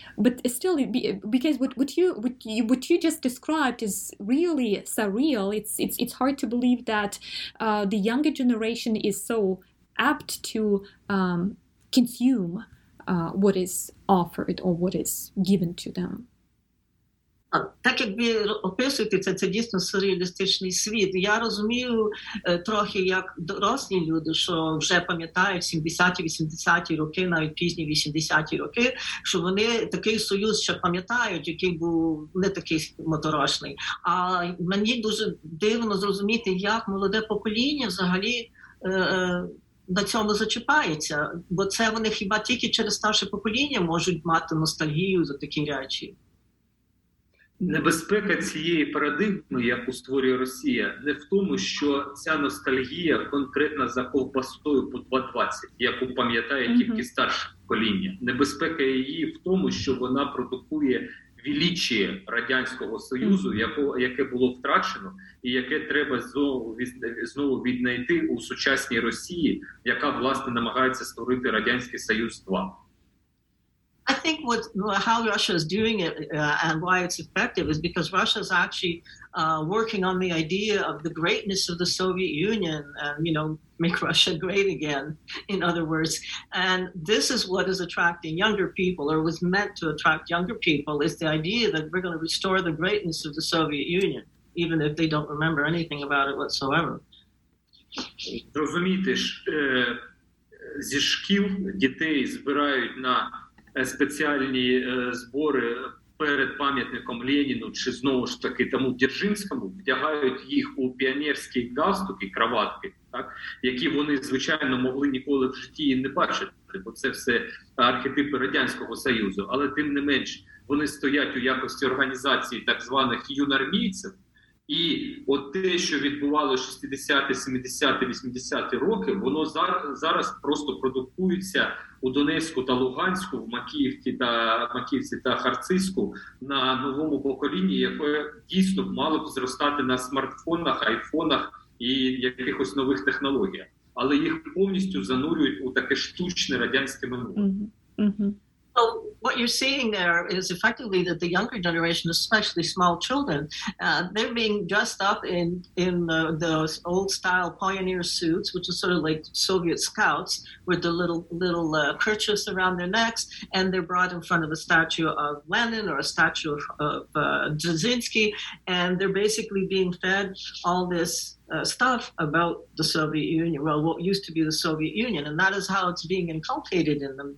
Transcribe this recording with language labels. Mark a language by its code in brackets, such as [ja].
[en] But still, because what you just described is really surreal. It's hard to believe that the younger generation is so apt to consume what is offered or what is given to them. [uk] Так якби описуєте це, це дійсно сюрреалістичний світ. Я розумію трохи як дорослі люди, що вже пам'ятають 70-80-ті роки, навіть пізні 80-ті роки, що вони такий союз ще пам'ятають, який був не такий моторошний. А мені дуже дивно зрозуміти, як молоде покоління взагалі на цьому зачіпається, бо це вони хіба тільки через старше покоління можуть мати ностальгію за такі речі. Небезпека цієї парадигми, яку створює Росія, не в тому, що ця ностальгія конкретна за ковбасою по 2,20, яку пам'ятає тільки старше покоління. Небезпека її в тому, що вона продукує величіє Радянського Союзу, яке було втрачено, і яке треба знову віднайти у сучасній Росії, яка, власне, намагається створити Радянський Союз 2. [en] I think how Russia is doing it and why it's effective is because Russia is actually working on the idea of the greatness of the Soviet Union and, you know, make Russia great again, in other words. And this is what is attracting younger people, or was meant to attract younger people, is the idea that we're going to restore the greatness of the Soviet Union, even if they don't remember anything about it whatsoever. [uk] Розумієте ж, зі шкіл дітей збирають на спеціальні збори перед пам'ятником Леніну, чи знову ж таки тому Дзержинському, вдягають їх у піонерські галстуки, краватки, так, які вони, звичайно, могли ніколи в житті не бачити, бо це все архетипи Радянського Союзу. Але тим не менш, вони стоять у якості організації так званих юнармійців. І от те, що відбувалося 60-ті, 70-ті, 80-ті роки, воно зараз просто продукується у Донецьку та Луганську, в Макіївці та Харцизьку на новому поколінні, яке дійсно мало б зростати на смартфонах, айфонах і якихось нових технологіях. Але їх повністю занурюють у таке штучне радянське минуле. [en] So what you're seeing there is effectively that the younger generation, especially small children, they're being dressed up in those old style pioneer suits, which is sort of like Soviet scouts, with the little kerchiefs around their necks, and they're brought in front of a statue of Lenin or a statue of Dzerzhinsky, and they're basically being fed all this stuff about the Soviet Union, well, what used to be the Soviet Union, and that is how it's being inculcated in them.